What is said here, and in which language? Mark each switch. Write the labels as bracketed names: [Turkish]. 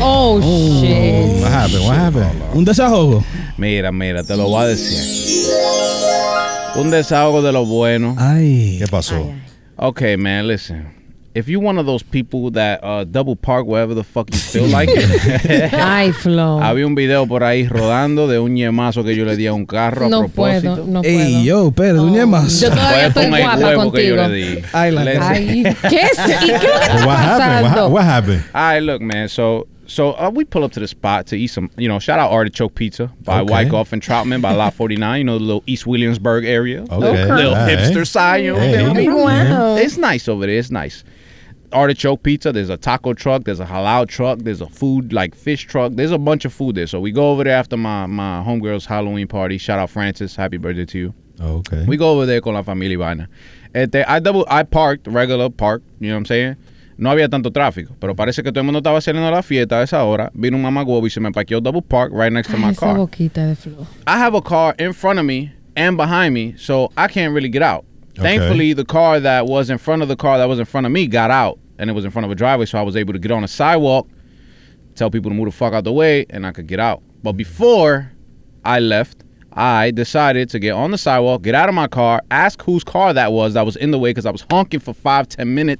[English] Oh, shit. What happened? [Spanish] Un desahogo. Mira, te lo voy a decir. Un desahogo de lo bueno. Ay. ¿Qué pasó? [English] Okay, man, listen. If you one of those people that double park wherever the fuck you feel like it. Ay, Flo. [Spanish] Había un video por ahí rodando de un yemazo que yo le di a un carro no a propósito. No puedo. Ey, yo, pero un yemazo. Yo todavía estoy guapa contigo. Huevo que yo le di. ¿Qué es lo que está pasando? [English] Ay, look, man. So we pull up to the spot to eat some, you know, shout out Artichoke Pizza by Wyckoff and Troutman by Lot 49, you know, the little East Williamsburg area. Hipster side, you know what I mean? Wow. It's nice over there. It's nice. Artichoke Pizza, there's a taco truck, there's a halal truck, there's a food, like fish truck. There's a bunch of food there. So we go over there after my homegirl's Halloween party. Shout out Francis. Happy birthday to you. Okay. We go over there [Spanish] con la familia vaina. [English] I parked, regular park, you know what I'm saying? [Spanish] No había tanto tráfico, pero parece que todo el mundo estaba saliendo a la fiesta a esa hora. Vino un mamagüevo y se me parqueó [English] double park right next to my car. [Spanish] Esa boquita de flow. [English] I have a car in front of me and behind me, so I can't really get out. Okay. Thankfully, the car that was in front of the car that was in front of me got out, and it was in front of a driveway, so I was able to get on a sidewalk, tell people to move the fuck out the way, and I could get out. But before I left, I decided to get on the sidewalk, get out of my car, ask whose car that was in the way because I was honking for 5-10 minutes.